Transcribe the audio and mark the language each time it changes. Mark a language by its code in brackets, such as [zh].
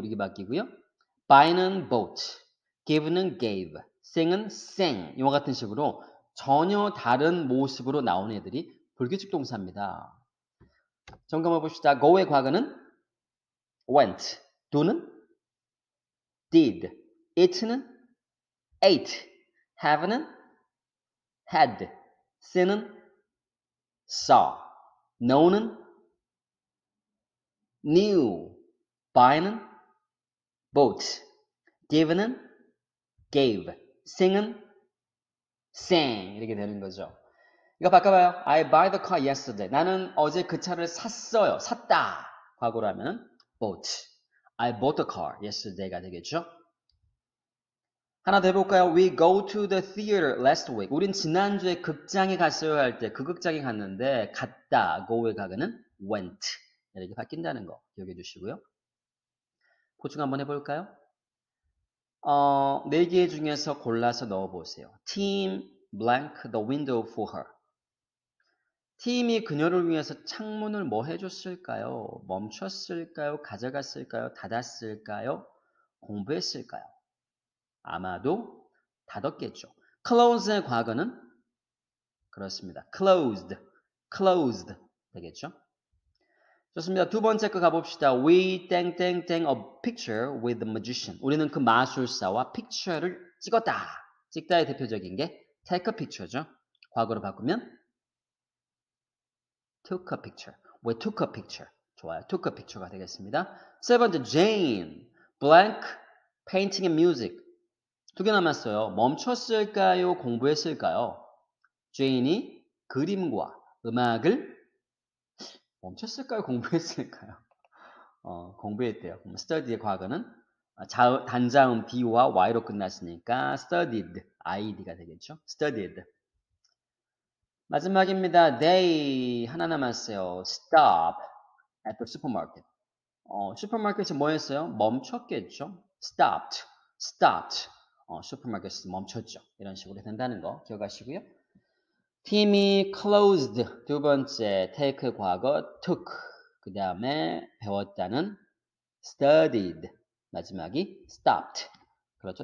[ko] 이렇게 바뀌고요. buy는 bought. give는 gave. sing은 sang. 이와 같은 식으로 전혀 다른 모습으로 나온 애들이 불규칙 동사입니다. 점검해 봅시다. go의 과거는 went. do는 did. it는 ate, have는 had, see는 saw, know는 knew, buy는 bought, give는 gave, sing은 sang. 이렇게 되는 거죠. 이거 바꿔봐요. [en] I buy the car yesterday. [ko] 나는 어제 그 차를 샀어요. 샀다. 과거라면 bought. [en] I bought the car yesterday가 되겠죠. [ko] 하나 더 해볼까요? [en] We go to the theater last week. [ko] 우린 지난주에 극장에 갔어요 할 때 그 극장에 갔는데 갔다. go의 과거는 went. 이렇게 바뀐다는 거 기억해 주시고요. 보충 한번 해볼까요? 네 개 중에서 골라서 넣어보세요. [en] Tim blank the window for her. [ko] Tim이 그녀를 위해서 창문을 뭐 해줬을까요? 멈췄을까요? 가져갔을까요? 닫았을까요? 공부했을까요? 아마도 닫았겠죠. close의 과거는 그렇습니다. closed 되겠죠. 좋습니다. 두 번째 거 가봅시다. [en] We 땡땡땡 a picture with the magician. [ko] 우리는 그 마술사와 picture를 찍었다. 찍다의 대표적인 게 take a picture죠. 과거로 바꾸면 took a picture. [en] We took a picture. [ko] 좋아요. [en] took a picture가 되겠습니다. [ko] 세 번째 [en] Jane blank painting and music. [ko] 두 개 남았어요. 멈췄을까요? 공부했을까요? 제인이 그림과 음악을 멈췄을까요? 공부했을까요? 공부했대요. 그럼 study의 과거는 단자음 b와 y로 끝났으니까 studied, id가 되겠죠? studied. 마지막입니다. they 하나 남았어요. [en] stop at the supermarket. [ko] 슈퍼마켓에서 뭐 했어요? 멈췄겠죠? stopped. 슈퍼마켓에서 멈췄죠. 이런 식으로 된다는 거 기억하시고요. Tim이 closed 두 번째 take 과거 took 그 다음에 배웠다는 studied 마지막이 stopped 그렇죠.